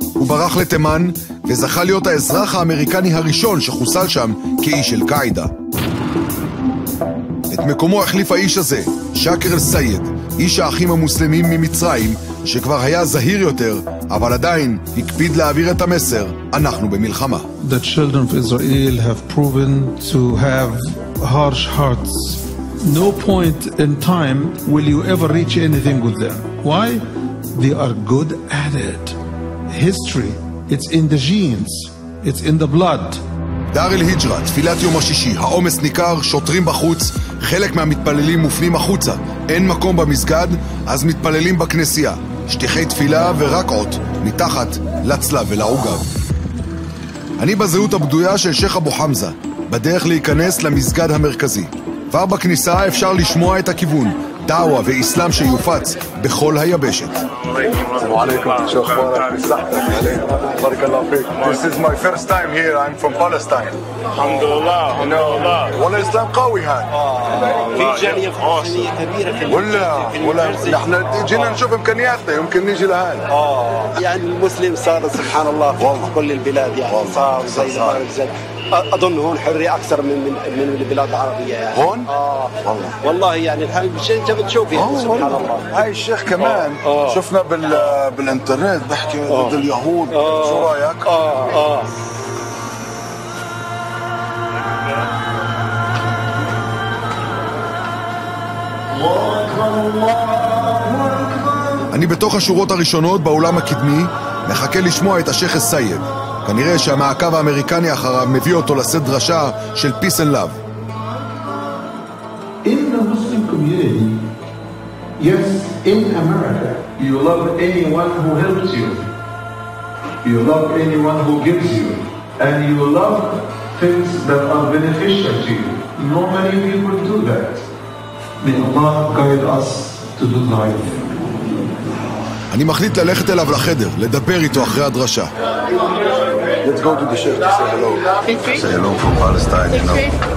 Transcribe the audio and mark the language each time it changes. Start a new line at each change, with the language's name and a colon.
Hebrew: הוא ברח לתימן וזכה להיות האזרח האמריקני הראשון שחוסל שם כאיש של קאידה. את מקומו החליף האיש הזה, שקר אל-סייד, איש האחים המוסלמים ממצרים, שכבר היה זהיר יותר, אבל עדיין הקפיד להעביר את המסר, אנחנו במלחמה.
English: The children of Israel have proven to have harsh hearts. No point in time will you ever reach anything good there. Why? They are good at it. History. It's in the genes, it's in the blood.
Hebrew: דר אל היג'רה, תפילת יום השישי, העומס ניכר, שוטרים בחוץ, חלק מהמתפללים מופנים החוצה, אין מקום במסגד, אז מתפללים בכנסייה, שטיחי תפילה ורק עוד, מתחת לצלב ולעוגב. אני בזהות הבדויה של שייח אבו חמזה, בדרך להיכנס למסגד המרכזי. כבר בכניסה אפשר לשמוע את הכיוון,
Arabic: دعوة وإسلام شيوفات بخول هيا بيشت. السلام عليكم. شو أخبارك؟ بارك الله فيك.
English: This is my first time here. I'm from Palestine.
Arabic: الحمد لله. الحمد لله. ولا إسلام قوي هاد. في جالية فلسطينية كبيرة. ولا ولا. نحن جينا نشوف إمكانياتنا يمكن نيجي لهاد. يعني المسلم صار سبحان الله في كل البلاد يعني. صار زي ما رزق. اظن هون حرية اكثر من من من البلاد العربية يعني. هون والله يعني الحال انت بتشوف يعني سبحان الله. هاي الشيخ كمان شفنا بالانترنت بحكي ضد اليهود. شو رايك؟
Hebrew: אני בתוך השורות הראשונות באולם הקדמי מחכה לשמוע את השייח א-סייב. כנראה שהמעקב האמריקני אחריו מביא אותו לשאת דרשה של
English: Peace and Love. In the Muslim community, yes, in America, there are people, you love anyone who helps you, you love anyone who gives you, and you love things that are beneficial to you. No many people do that. May Allah guide us to do the right thing.
Hebrew: אני מחליט ללכת אליו לחדר, לדבר איתו אחרי הדרשה.
English: Let's go to the sheikh to say hello. Say hello from Palestine, you know.